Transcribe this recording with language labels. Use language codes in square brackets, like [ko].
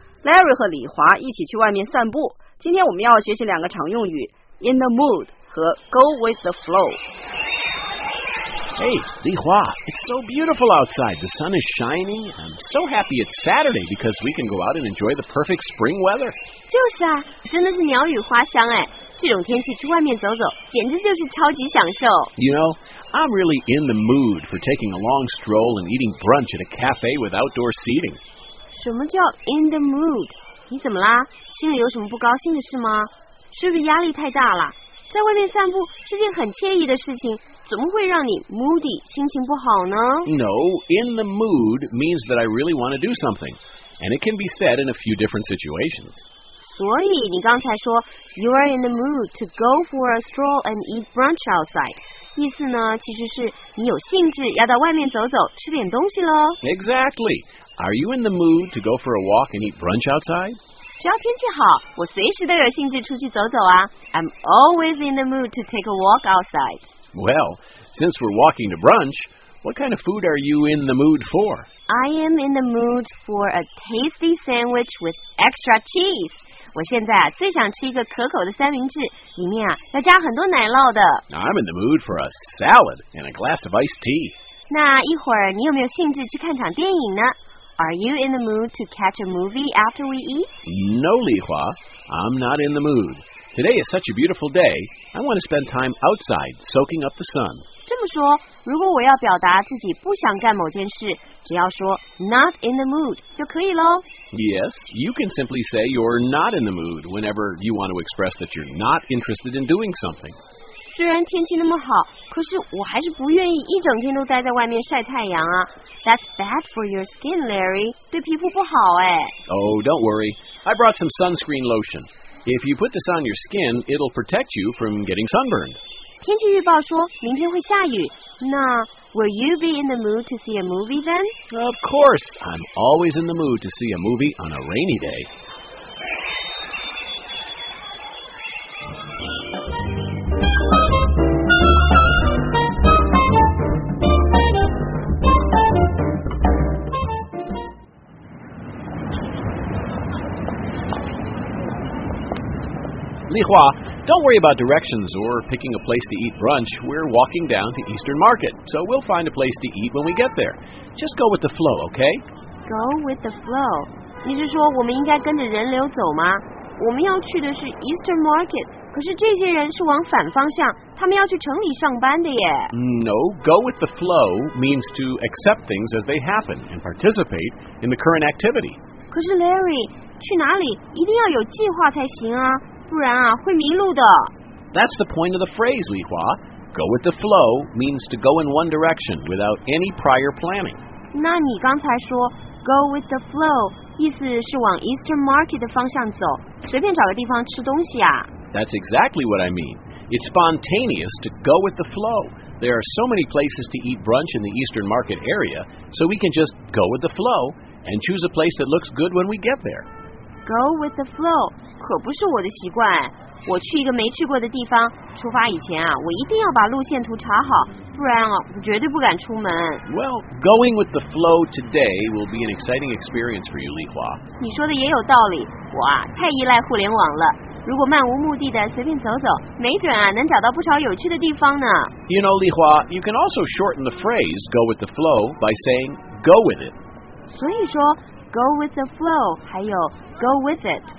[zh] Larry 和李华一起去外面散步。今天我们要学习两个常用语， [en] in the mood [zh] 和 [en] go with the flow。 Hey, Li Hua, it's so beautiful outside. The sun is shining. I'm so happy it's Saturday because we can go out and enjoy the perfect spring weather. [zh] 就是啊，真的是鸟语花香哎！这种天气去外面走走，简直就是超级享受。 [en] You know, I'm really in the mood for taking a long stroll and eating brunch at a cafe with outdoor seating. [zh] 什么叫 [en] in the mood? [zh] 你怎么啦？心里有什么不高兴的事吗？是不是压力太大了？在外面散步是件很惬意的事情，怎么会让你 moody 心情不好呢？ [en] No, in the mood means that I really want to do something, and it can be said in a few different situations. [zh] 所以你刚才说 [en] you are in the mood to go for a stroll and eat brunch outside, [zh] 意思呢其实是你有兴致要到外面走走吃点东西咯。 [en] Exactly. Are you in the mood to go for a walk and eat brunch outside? [zh] 只要天气好，我随时都有兴致出去走走啊。 [en] I'm always in the mood to take a walk outside. Well, since we're walking to brunch, what kind of food are you in the mood for? I am in the mood for a tasty sandwich with extra cheese. [zh] 我现在最想吃一个可口的三明治，里面啊要加很多奶酪的。 [en] I'm in the mood for a salad and a glass of iced tea. [zh] 那一会儿你有没有兴致去看场电影呢？ [en] Are you in the mood to catch a movie after we eat? No, Li Hua. I'm not in the mood. Today is such a beautiful day. I want to spend time outside, soaking up the sun. [zh] 这么说，如果我要表达自己不想干某件事，只要说 [en] not in the mood [zh] 就可以咯。 [en] Yes, you can simply say you're not in the mood whenever you want to express that you're not interested in doing something. [zh] 虽然天气那么好，可是我还是不愿意一整天都待在外面晒太阳啊。 [en] That's bad for your skin, Larry. [zh] 对皮肤不好哎。 [en] Oh, don't worry. I brought some sunscreen lotion. If you put this on your skin, it'll protect you from getting sunburned. [zh] 天气预报说明天会下雨，那 [en] will you be in the mood to see a movie then? Of course. I'm always in the mood to see a movie on a rainy day. Li Hua, don't worry about directions or picking a place to eat brunch. We're walking down to Eastern Market, so we'll find a place to eat when we get there. Just go with the flow, okay? Go with the flow. [zh] 你是说我们应该跟着人流走吗？我们要去的是 Eastern Market, 可是这些人是往反方向，他们要去城里上班的耶。 [en] No, go with the flow means to accept things as they happen and participate in the current activity. [zh] 可是 Larry, 去哪里一定要有计划才行啊。不然啊，会迷路的。 [en] That's the point of the phrase, Li Hua. Go with the flow means to go in one direction without any prior planning. [zh] 那你刚才说 [en] go with the flow [zh] 意思是往 Eastern Market 的方向走，随便找个地方吃东西啊。 [en] That's exactly what I mean. It's spontaneous to go with the flow. There are so many places to eat brunch in the Eastern Market area, so we can just go with the flow and choose a place that looks good when we get there. Go with the flow [zh] 可不是我的习惯。我去一个没去过的地方，出发以前啊，我一定要把路线图查好，不然啊，我绝对不敢出门。 [en] Well, going with the flow today will be an exciting experience for you, Li Hua. [zh] 你说的也有道理，我啊，太依赖互联网了。如果漫无目的的随便走走，没准啊，能找到不少有趣的地方呢。 [en] You know, Li Hua, you can also shorten the phrase go with the flow by saying go with it. [zh] 所以说 [en] Go with the flow, [zh] 还有 [en] go with it.